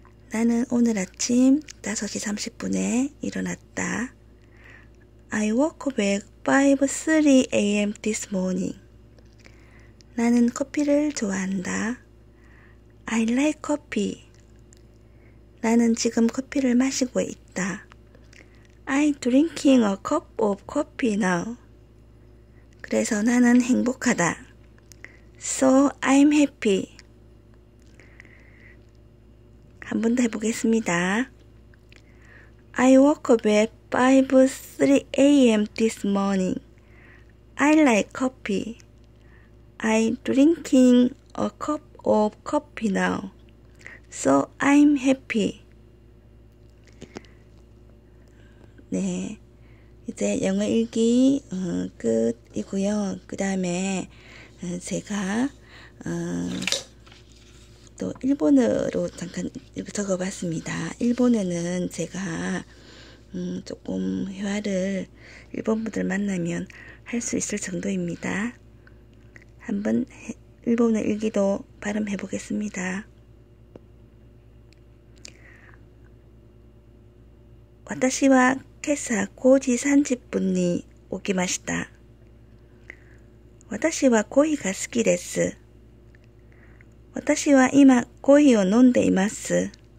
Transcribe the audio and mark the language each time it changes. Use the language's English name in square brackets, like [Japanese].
[Korean] 나는 오늘 아침 5시 30분에 일어났다. [English] I woke up at 5:30 a.m. this morning. [Korean] 나는 커피를 좋아한다. [English] I like coffee. [Korean] 나는 지금 커피를 마시고 있다. [English] I'm drinking a cup of coffee now. [Korean] 그래서 나는 행복하다. [English] So I'm happy. [Korean] 한번더 해보겠습니다. [English] I woke up at 5:30 a.m. this morning. I like coffee. I'm drinking a cup of coffee now. So I'm happy. [Korean] 네. 이제 영어 읽기 끝이고요. 그 다음에 제가 또 일본어로 잠깐 적어봤습니다. 일본에는 제가 조금 회화를 일본 분들 만나면 할수 있을 정도입니다. 한번 일본어 일기도 발음해 보겠습니다. [Japanese] 私は今朝5時30分に起きました。私はコーヒーが好きです。私は今コーヒーを飲んでいます。